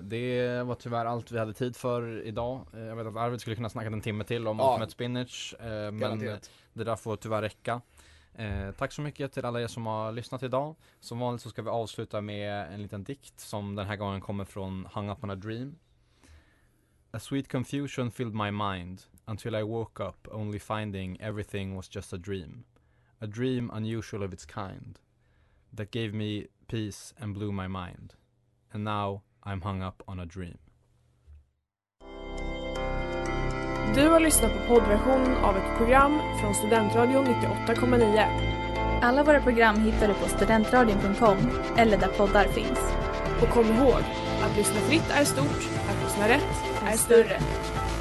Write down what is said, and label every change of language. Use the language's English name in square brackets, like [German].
[Swedish] Det var tyvärr allt vi hade tid för idag. Jag vet att Arvid skulle kunna snacka en timme till om Ultimate Spinner, men det där får tyvärr räcka. Tack så mycket till alla er som har lyssnat idag. Som vanligt så ska vi avsluta med en liten dikt som den här gången kommer från Hung Up on a Dream. [English] A sweet confusion filled my mind until I woke up only finding everything was just a dream. A dream unusual of its kind that gave me peace and blew my mind. And now I'm hung up on a dream. [Swedish] Du har lyssnat på poddversionen av ett program från Studentradion 98,9. Alla våra program hittar du på studentradion.com eller där poddar finns. Och kom ihåg, att lyssna fritt är stort, att lyssna rätt är större.